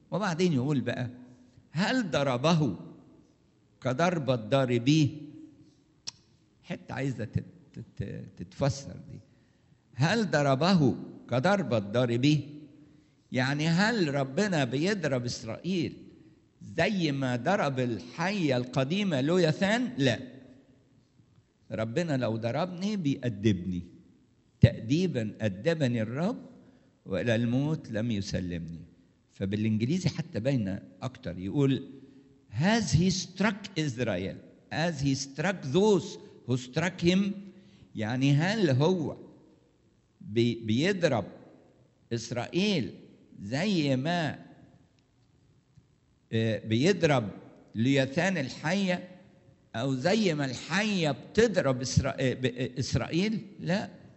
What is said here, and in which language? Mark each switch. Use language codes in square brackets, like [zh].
[ar] وبعدين يقول بقى، هل ضربه كضرب الضاربيه؟ حتى عايزة تتفسر دي، هل ضربه كضرب الضاربيه؟ يعني هل ربنا بيضرب إسرائيل زي ما ضرب الحية القديمة لويثان؟ لا، ربنا لو ضربني بيأدبني تأديبا، أدبني الرب وإلى الموت لم يسلمني. فبالإنجليزي حتى باين أكتر، يقول [en] has he struck Israel as he struck those who struck him. [ar] يعني هل هو بيضرب إسرائيل زي ما بيضرب ليثان الحية أو زي ما الحية بتضرب إسرائيل؟ لا،